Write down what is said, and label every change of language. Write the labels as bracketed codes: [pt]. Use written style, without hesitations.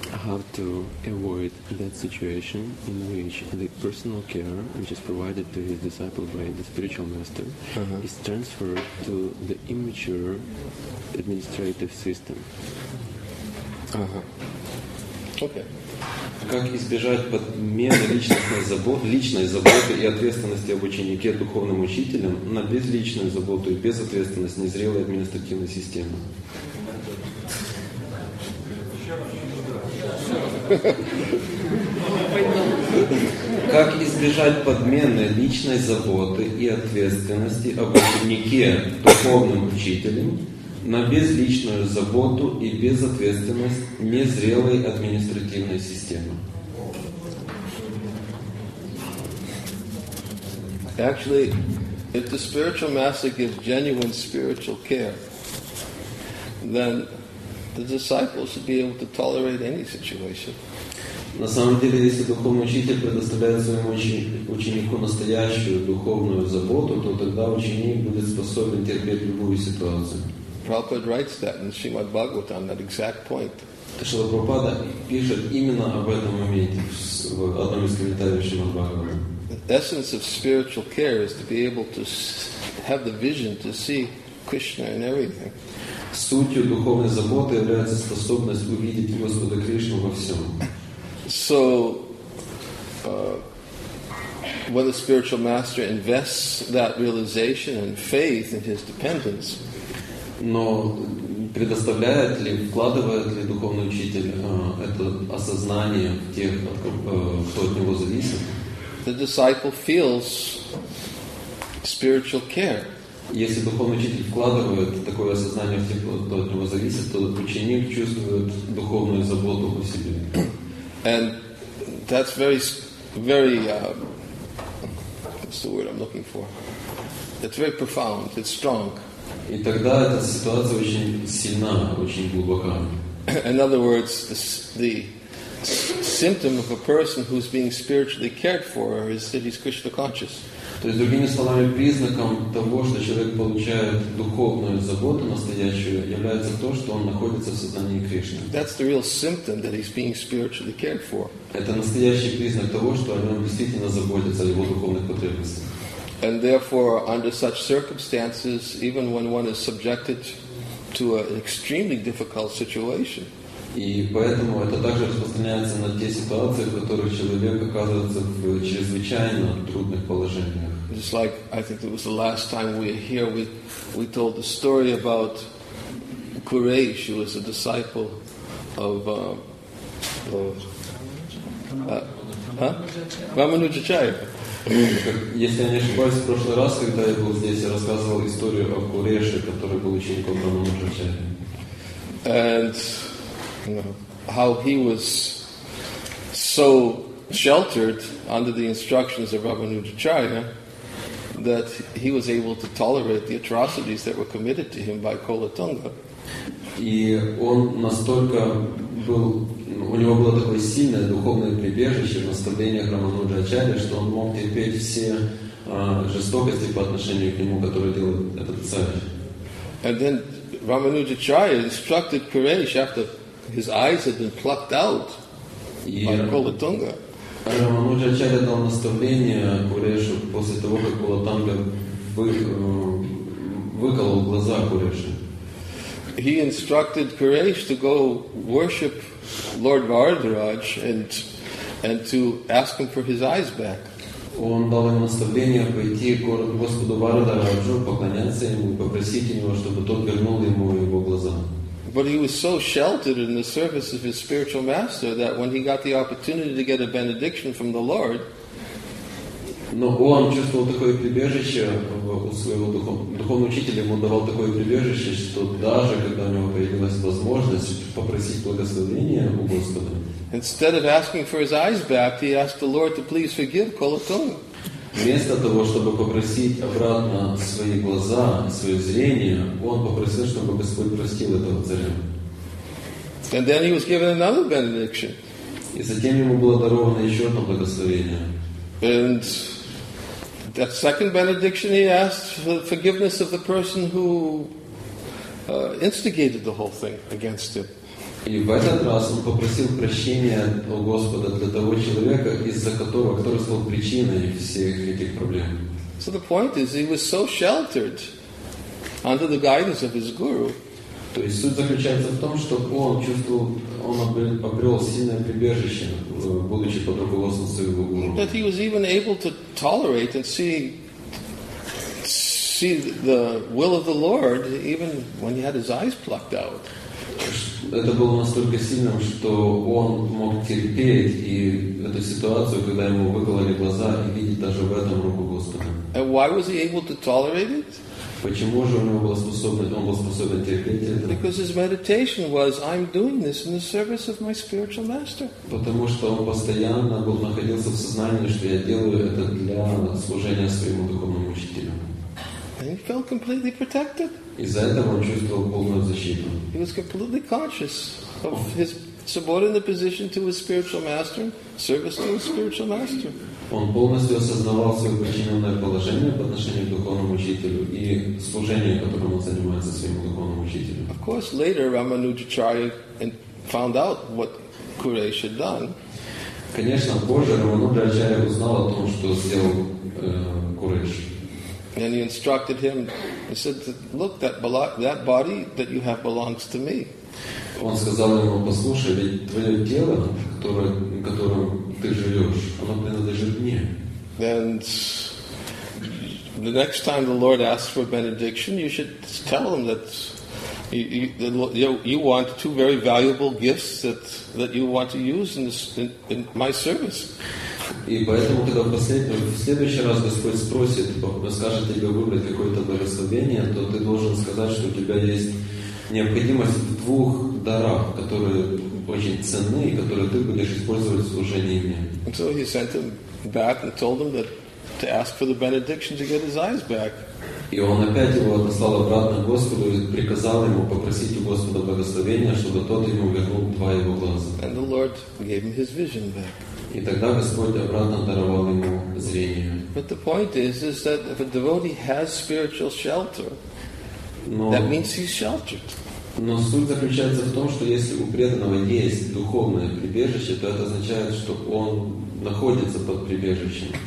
[en] How to avoid that situation in which the personal care, which is provided to his disciple by the spiritual master, is transferred to the immature administrative system. [ru] Как избежать подмены личной заботы и ответственности об ученике духовным учителем на безличную заботу и безответственность незрелой административной системы? Как избежать подмены личной заботы и ответственности об ученике духовным учителем на безличную заботу и безответственность незрелой административной системы? [en] Actually, if the spiritual master gives genuine spiritual care, then the disciples should be able to tolerate any situation. [ru] На самом деле, если духовный учитель предоставляет своему ученику настоящую духовную заботу, то тогда ученик будет способен терпеть любую ситуацию. [en] Prabhupada writes that in Srimad Bhagavatam, that exact point. [ru] Шрила Прабхупада пишет именно об этом моменте в одном из комментариев Шримад Бхагаватам. [en] The essence of spiritual care is to be able to have the vision to see Krishna in everything. [ru] Сутью духовной заботы является способность увидеть Господа Кришну во всем. [en] So, when the spiritual master invests that realization and faith in his dependents, [ru] но предоставляет ли, вкладывает ли духовный учитель это осознание в тех, кто от него зависит? [en] The disciple feels spiritual care. [ru] Если духовный учитель вкладывает такое осознание в тех, кто от него зависит, то ученик чувствует духовную заботу о себе. [en] And that's very, very, what's the word I'm looking for? It's very profound, it's strong. [ru] И тогда эта ситуация очень сильна, очень глубока. [en] In other words, the symptom of a person who's being spiritually cared for is that he's Krishna conscious. [ru] То есть, другими словами, признаком того, что человек получает духовную заботу настоящую, является то, что он находится в сознании Кришны. [en] That's the real symptom that he's being spiritually cared for. [ru] Это настоящий признак того, что о нем действительно заботятся, о его духовных потребностях. [en] And therefore, under such circumstances, even when one is subjected to an extremely difficult situation, [ru] и поэтому это также распространяется на те ситуации, в которых человек оказывается в чрезвычайно трудных положениях. [en] Just like I think it was the last time we were here, we told the story about Quraysh, who was a disciple of Рамануджачарья. [ru] Если я не ошибаюсь, в прошлый раз, когда я был здесь, я рассказывал историю о Куреше, который был учеником Рамануджачарьи. [en] And how he was so sheltered under the instructions of Рамануджачарья that he was able to tolerate the atrocities that were committed to him by Колотунга. [ru] И он настолько был, у него было такое сильное духовное прибежище в наставлениях Рамануджачарьи, что он мог терпеть все жестокости по отношению к нему, которые делал этот царь. [en] And then Рамануджачарья instructed Куреш after his eyes had been plucked out by Колотунга. [ru] Рамануджачарья дал наставление Курешу после того, как Колотунга выколол глаза Курешу. [en] He instructed Куреш to go worship Lord Varadaraj and to ask him for his eyes back. [ru] Он дал ему наставление пойти к Господу Варадараджу, поклоняться ему, попросить у него, чтобы тот вернул ему его глаза. [en] But he was so sheltered in the service of his spiritual master that when he got the opportunity to get a benediction from the Lord, [ru] но он чувствовал такое прибежище у своего духовного учителя, ему давал такое прибежище, что даже когда у него появилась возможность попросить благословения у Господа, [en] instead of asking for his eyes back, he asked the Lord to please forgive Колотунга. [ru] Вместо того, чтобы попросить обратно свои глаза, свое зрение, он попросил, чтобы Господь простил этого царя. [en] And then he was given another benediction. [ru] И затем ему было даровано еще одно благословение. [en] And that second benediction, he asked for forgiveness of the person who instigated the whole thing against him. [ru] И в этот раз он попросил прощения у Господа для того человека, из-за которого, который стал причиной всех этих проблем. [en] So the point is, he was so sheltered under the guidance of his guru. [ru] То есть суть заключается в том, что он чувствовал, он обрел сильное прибежище, будучи под руководством своего гуру. [en] That he was even able to tolerate and see the will of the Lord even when he had his eyes plucked out. [ru] Это было настолько сильным, что он мог терпеть и эту ситуацию, когда ему выкололи глаза, и видеть даже в этом руку Господа. [en] And why was he able to tolerate it? [ru] Почему же он был способен терпеть это? [en] Because his meditation was, I'm doing this in the service of my spiritual master. [ru] Потому что он постоянно был находился в сознании, что я делаю это для служения своему духовному учителю. [en] And he felt completely protected. [ru] Из-за этого он чувствовал полную защиту. [en] He was completely conscious of his subordinate position to his spiritual master, service to his spiritual master. [ru] Он полностью осознавал своё подчинённое положение по отношению к духовному учителю и служение, которым он занимается своему духовному учителю. [en] Of course, later Ramanujacharya found out what Kuresh had done. [ru] Конечно, позже Рамануджачарья узнал о том, что сделал Куреш. [en] And he instructed him. He said, "Look, that body that you have belongs to me." [ru] Он сказал ему: "Послушай, ведь твое тело, которым ты живешь, оно принадлежит мне." [en] Then the next time the Lord asks for benediction, you should tell him that you want two very valuable gifts that you want to use in my service. [ru] И поэтому, когда в следующий раз Господь спросит, скажет тебе выбрать какое-то благословение, то ты должен сказать, что у тебя есть необходимость в двух дарах, которые очень ценны и которые ты будешь использовать в служении мне. [en] And so he sent him back and told him that to ask for the benediction to get his eyes back. [ru] И он опять его отослал обратно к Господу и приказал ему попросить у Господа благословения, чтобы тот ему вернул два его глаза. [en] And the Lord gave him his vision back. [ru] И тогда Господь обратно даровал ему зрение. [en] But the point is that if a devotee has spiritual shelter, that means he's sheltered. [ru] Но суть заключается в том, что если у преданного есть духовное прибежище, то это означает, что он находится под прибежищем.